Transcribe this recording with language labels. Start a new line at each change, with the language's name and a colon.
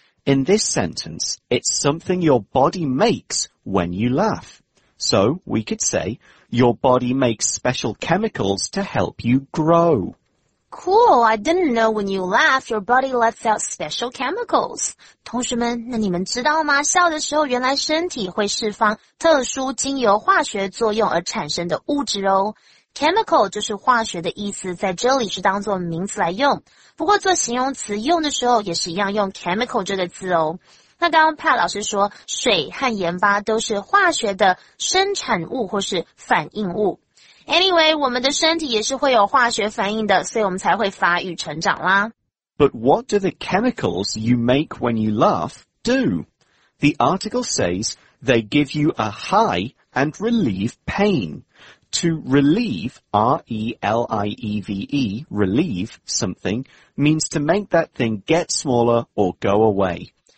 English: In this sentence, it's something your body makes when you laugh. So, we could say, your body makes special chemicals to help you grow. Cool, I didn't know when you laugh, your body lets out special chemicals.
Chinese: 同学们，那你们知道吗？笑的时候原来身体会释放特殊经由化学作用而产生的物质哦。 Chemical 就是化学的意思，在这里是当作名词来用，不过做形容词用的时候也是一样用 chemical 这个字哦。那刚刚 Pat 老师说水和盐巴都是化学的生产物或是反应物。 Anyway, 我们的身体也是会有化学反应的，所以我们才会发育成长啦。
English: But what do the chemicals you make when you laugh do? The article says they give you a high and relieve pain. To relieve, R-E-L-I-E-V-E, relieve something, means to make that thing get smaller or go away.